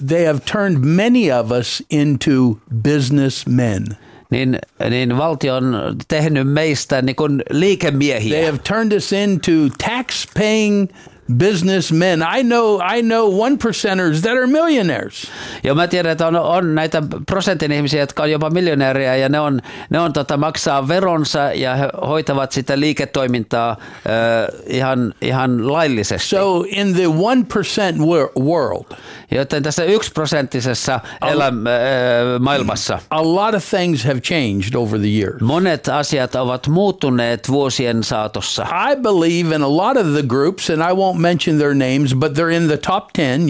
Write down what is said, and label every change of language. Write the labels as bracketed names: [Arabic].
[English] They have turned many of us into businessmen. [Finnish] Niin, niin valtio on tehnyt meistä niin kuin liikemiehiä. [English] They have turned us into tax-paying businessmen. I know 1%ers that are millionaires. [Finnish] Ja mä tiedän, että on, on näitä prosentin ihmisiä, jotka on jopa miljonääriä ja ne on tota, maksaa veronsa ja hoitavat sitä liiketoimintaa ihan laillisesti. [English] So in the 1% world. [Finnish] Joten tässä 1%isessä maailmassa. [English] A lot of things have changed over the years. [Finnish] Monet asiat ovat muuttuneet vuosien saatossa. [English] I believe in a lot of the groups and I won't mention their names, but they're in the top 10.